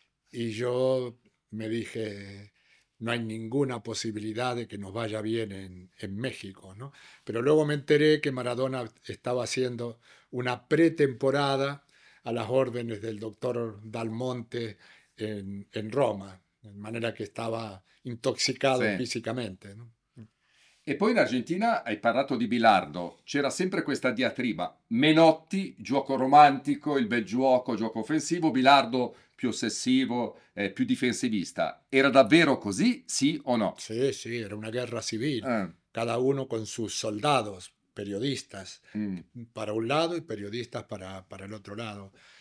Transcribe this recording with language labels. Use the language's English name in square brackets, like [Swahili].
[Spanish] Y yo me dije, no hay ninguna posibilidad de que nos vaya bien en México, ¿no? Pero luego me enteré que Maradona estaba haciendo una pretemporada a las órdenes del doctor Dal Monte en Roma. De manera que [Italian] stava intossicato, sì, fisicamente. No? E poi in Argentina, hai parlato di Bilardo, c'era sempre questa diatriba. Menotti, gioco romantico, il bel gioco, gioco offensivo, Bilardo più ossessivo, più difensivista. Era davvero così, sì o no? Sì, sì, era una guerra civile. [Spanish] Cada uno con sus soldados, periodistas, para un lado y periodistas para el otro lado.